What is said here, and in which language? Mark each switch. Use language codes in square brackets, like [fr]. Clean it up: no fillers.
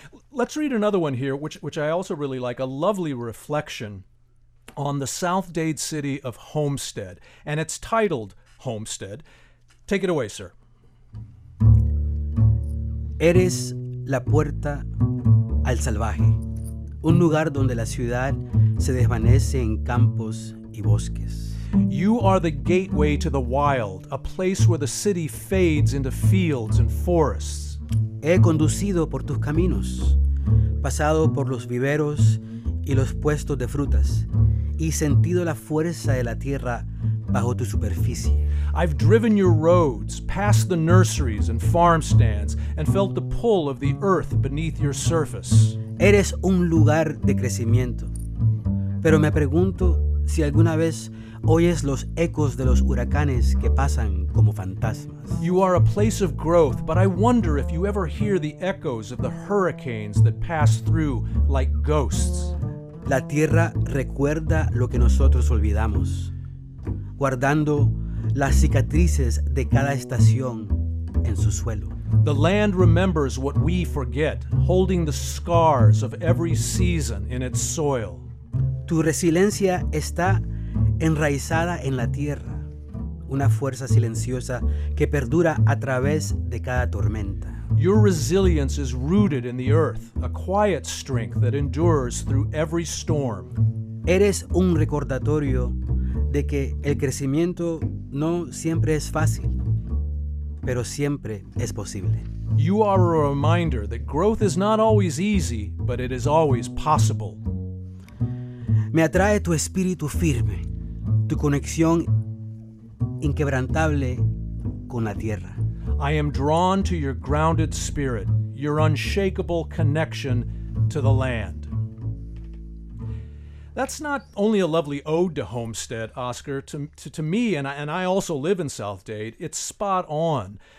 [en] Let's read another one here, which I also really like, a lovely reflection on the South Dade city of Homestead, and it's titled Homestead. Take it away, sir. [es] Eres la puerta al salvaje, un lugar donde la ciudad se desvanece en campos y bosques. [en] You are the gateway to the wild, a place where the city fades into fields and forests. [es] He conducido por tus caminos, pasado por los viveros y los puestos de frutas, y sentido la fuerza de la tierra bajo tu superficie. [en] I've driven your roads, past the nurseries and farm stands, and felt the pull of the earth beneath your surface. [es] Eres un lugar de crecimiento, pero me pregunto si alguna vez oyes los ecos de los huracanes que pasan como fantasmas. [en] You are a place of growth, but I wonder if you ever hear the echoes of the hurricanes that pass through like ghosts. [es] La tierra recuerda lo que nosotros olvidamos, guardando las cicatrices de cada estación en su suelo. [en] The land remembers what we forget, holding the scars of every season in its soil. [es] Tu resiliencia está enraizada en la tierra, una fuerza silenciosa que perdura a través de cada tormenta. [en] Your resilience is rooted in the earth, a quiet strength that endures through every storm. [es] Eres un recordatorio de que el crecimiento no siempre es fácil, pero siempre es posible. [en] You are a reminder that growth is not always easy, but it is always possible. [es] Me atrae tu espíritu firme, tu conexión inquebrantable con la tierra. [en] I am drawn to your grounded spirit, your unshakable connection to the land. That's not only a lovely ode to Homestead, Oscar. To me, and I also live in South Dade, it's spot on.